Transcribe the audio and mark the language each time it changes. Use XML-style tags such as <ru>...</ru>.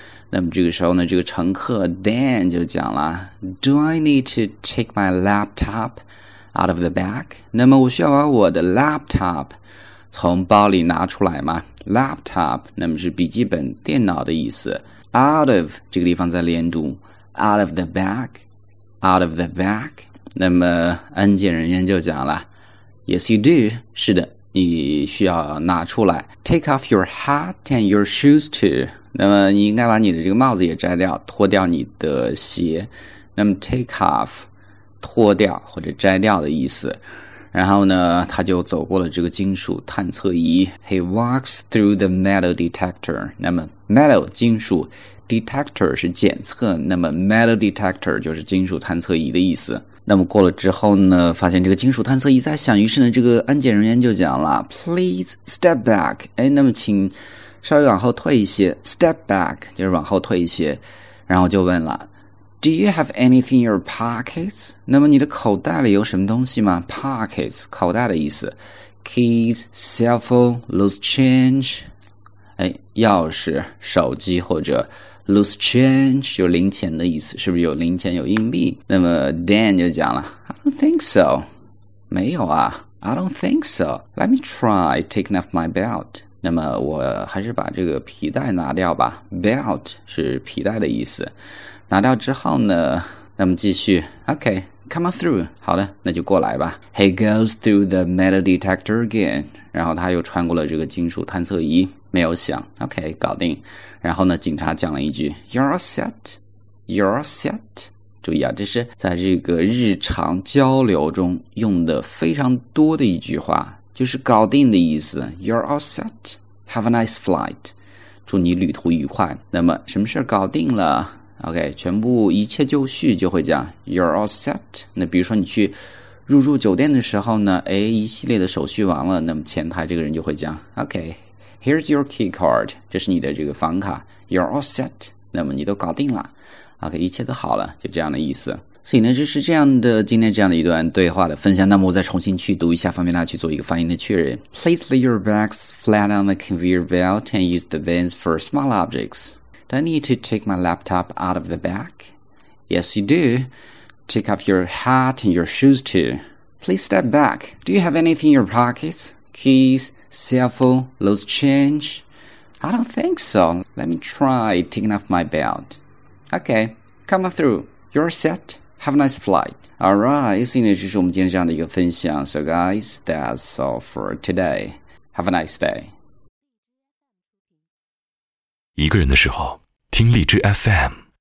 <zh>那么这个时候呢，这个乘客 Dan 就讲了：“</zh> <en>Do I need to take my laptop out of the bag？”</en> <zh>那么我需要把我的 laptop 从包里拿出来吗？Laptop 那么是笔记本电脑的意思。</zh> <en>Out of</en> <zh>这个地方在连读，</zh> <en>out of the bag，out of the bag。</en> <zh>那么安检人员就讲了，</zh> <en>Yes, you do。</en> <zh>是的，你需要拿出来。</zh> <en>Take off your hat and your shoes too。</en> <zh>那么你应该把你的这个帽子也摘掉，脱掉你的鞋。那么 take off，脱掉或者摘掉的意思。然后呢，他就走过了这个金属探测仪。</zh> <en>He walks through the metal detector。</en> <zh>那么 metal 金属 detector 是检测，那么 metal detector 就是金属探测仪的意思。那么过了之后呢，发现这个金属探测仪在响，于是呢，这个安检人员就讲了：</zh> <en>“Please step back。”</en> <zh>哎，那么请稍微往后退一些，step back 就是往后退一些。然后就问了。</zh> <en>Do you have anything in your pockets?</en> <zh>那么你的口袋里有什么东西吗？Pockets，口袋的意思。</zh> <en>Keys, cell phone, loose change，</en> <zh>哎，钥匙、手机或者 loose change 有零钱的意思，是不是有零钱有硬币？那么 Dan 就讲了，</zh> <en>I don't think so。</en> <zh>没有啊，</zh> <en>I don't think so。 Let me try taking off my belt。</en> <zh>那么我还是把这个皮带拿掉吧。Belt 是皮带的意思。拿掉之后呢，那么继续。OK，</zh> <en>come on through。</en> <zh>好的，那就过来吧。</zh> <en>He goes through the metal detector again。</en> <zh>然后他又穿过了这个金属探测仪，没有响。 OK，搞定。然后呢，警察讲了一句：</zh> <en>“You're set. You're set。”</en> <zh>注意啊，这是在这个日常交流中用的非常多的一句话，就是"搞定"的意思。</zh> <en>You're all set. Have a nice flight。</en> <zh>祝你旅途愉快。那么什么事儿搞定了？ OK，全部一切就绪就会讲</zh> <en>"You're all set"。</en> <zh>那比如说你去入住酒店的时候呢，哎，一系列的手续完了，那么前台这个人就会讲</zh> <en>"OK，here's your key card"，</en> <zh>这是你的这个房卡</zh> <en>"You're all set"。</en> <zh>那么你都搞定了，OK，一切都好了，就这样的意思。所以呢，这是这样的，今天这样的一段对话的分享。那么我再重新去读一下，方便大家去做一个发音的确认。</zh> <en>Please lay your bags flat on the conveyor belt and use the bins for small objects. Do I need to take my laptop out of the bag? Yes, you do. Take off your hat and your shoes too. Please step back. Do you have anything in your pockets? Keys, cell phone, loose change? I don't think so. Let me try taking off my belt. Okay, come on through. You're set. Have a nice flight.</en> <zh>All right, 所以呢，这是我们今天这样的一个分享。</zh> <en>So guys, that's all for today. Have a nice day.</en> <zh>一个人的时候，听荔枝 FM。</zh>